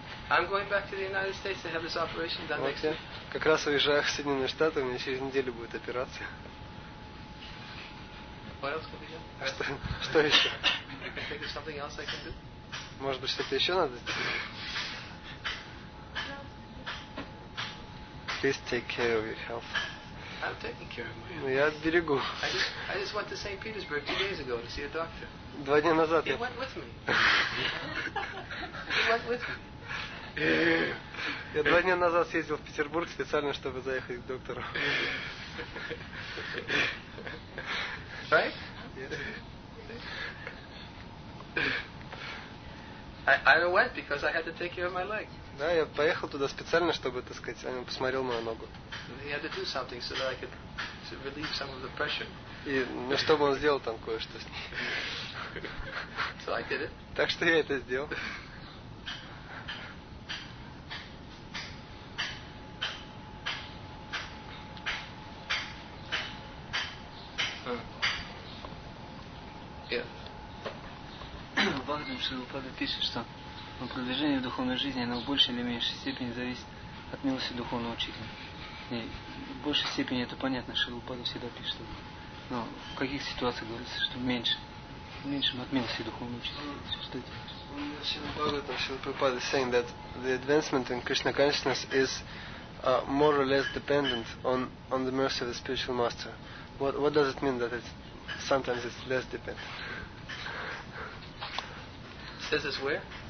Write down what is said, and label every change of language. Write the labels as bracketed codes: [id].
[en] I'm going back to the United States to have this operation done next week. [ru] Как раз уезжаю в Соединенные Штаты, у меня через неделю будет операция. [en] What else could be done? [ru] Что еще? [en] Something else I can do? [ru] Может быть, что-то еще надо? [en] Please take care of your health. I'm taking care of my health. [ru] Я берегу. [en] I just went to St. Petersburg 2 days ago to see a doctor. [ru] Два дня назад. [en] He went with me. He went with me. [ru] Я два дня назад съездил в Петербург специально, чтобы заехать к доктору. [en] Right? Yes. I went because I had to take care of my leg. [ru] Да, я поехал туда специально, чтобы, так сказать, он посмотрел мою ногу. [en] He had to do something so that I could to relieve some of the pressure. [ru] И чтобы он сделал там кое-что с ней. [en] So I did it. [ru] Так что я это сделал. Шрилупада пишет, что продвижение духовной жизни, оно в большей или меньшей степени зависит от милости духовного учителя. И в большей степени это понятно, Шрилупада всегда пишет. Но в каких ситуациях говорится, что меньше? Меньше от милости духовного учителя. Что это? [en] Шрилупада is saying that the advancement in Krishna consciousness is more or less dependent on the mercy of the spiritual master. What does it mean that it's sometimes it's less dependent? Says it's where?